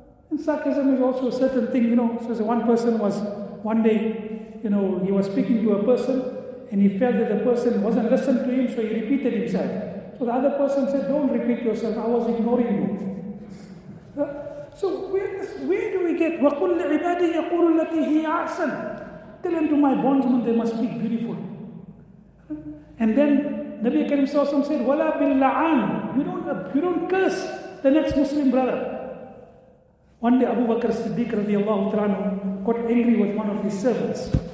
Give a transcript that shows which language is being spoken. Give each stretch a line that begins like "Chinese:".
English: And sarcasm is also a certain thing, you know. So one person was, one day, you know, he was speaking to a person and he felt that the person wasn't listening to him, so he repeated himself. So the other person said, don't repeat yourself, I was ignoring you. So where do we get,
Arabic: وَقُلْ لِعِبَادِي يَقُولُ الَّتِي هِيَ أَحْسَنُ.
English: Tell them to my bondsmen, they must speak beautiful. And then Nabi Karim Sawasam said,
Arabic: وَلَا بِاللَّعَانُ.
English: You don't curse the next Muslim brother. One day Abu Bakr Siddiq radiallahu ta'ala got angry with one of his servants.